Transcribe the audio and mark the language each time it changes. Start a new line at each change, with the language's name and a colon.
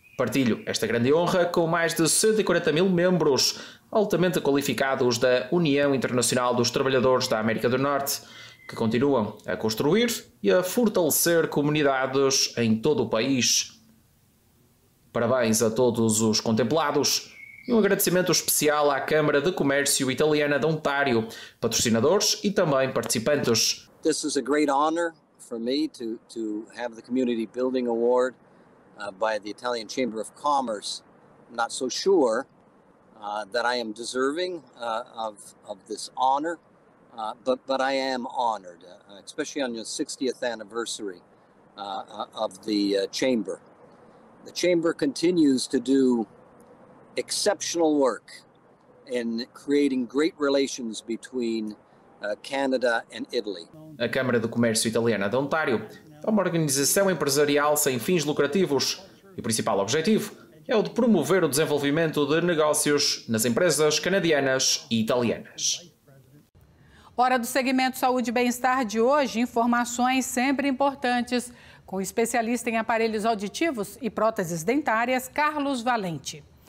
Portuguese: Partilho esta grande honra com mais de 140 mil membros altamente qualificados da União Internacional dos Trabalhadores da América do Norte, que continuam a construir e a fortalecer comunidades em todo o país. Parabéns a todos os contemplados e um agradecimento especial à Câmara de Comércio Italiana de Ontário, patrocinadores e também participantes.
English: This is a great honor for me to have the Community Building Award by the Italian Chamber of Commerce. I'm not so sure that I am deserving of this honor, but I am honored, especially on your 60th anniversary of the Chamber. The Chamber continues to do exceptional work in creating great relations between Canada and Italy.
Portuguese: A Câmara do Comércio Italiana de Ontário é uma organização empresarial sem fins lucrativos e o principal objetivo é o de promover o desenvolvimento de negócios nas empresas canadianas e italianas. Hora do segmento Saúde e Bem-Estar de hoje, informações sempre importantes com o especialista em aparelhos auditivos e próteses dentárias, Carlos Valente.